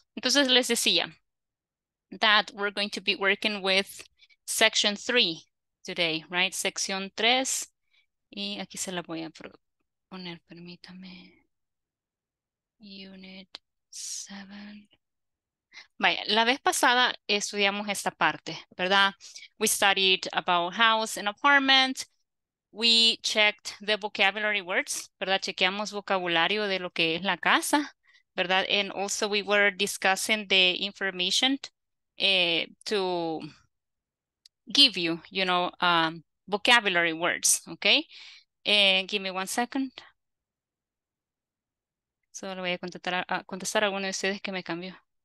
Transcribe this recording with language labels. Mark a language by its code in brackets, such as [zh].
[es] Entonces les decía [en] that we're going to be working with section 3 today, right? [es] Sección 3. Y aquí se la voy a poner, permítame. Unit 7. Vaya, la vez pasada estudiamos esta parte, ¿verdad? [en] We studied about house and apartment. We checked the vocabulary words, ¿verdad? [es] Chequeamos vocabulario de lo que es la casa, ¿verdad? [en] And also we were discussing the information to give you, you know, vocabulary words, okay? And give me 1 second. [es] Solo voy a contestar a alguno de ustedes que me cambió.